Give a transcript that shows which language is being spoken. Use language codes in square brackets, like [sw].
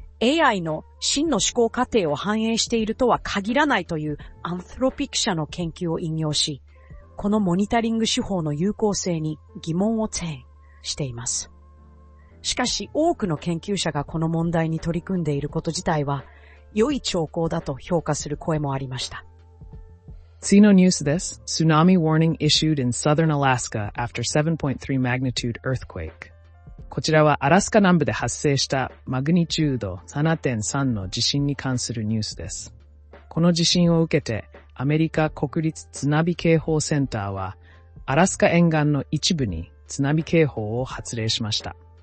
[ja] AI の真の思考過程を反映しているとは限らないというアンスロピック社の研究を引用し、このモニタリング手法の有効性に疑問を呈しています。しかし多くの研究者がこの問題に取り組んでいること自体は良い兆候だと評価する声もありました。次のニュースです。 [en] Tsunami warning issued in southern Alaska after 7.3 magnitude earthquake。 [ja] こちらはアラスカ南部で発生したマグニチュード 7.3 の地震に関するニュースです。この地震を受けてアメリカ国立津波警報センターはアラスカ沿岸の一部に津波警報を発令しました。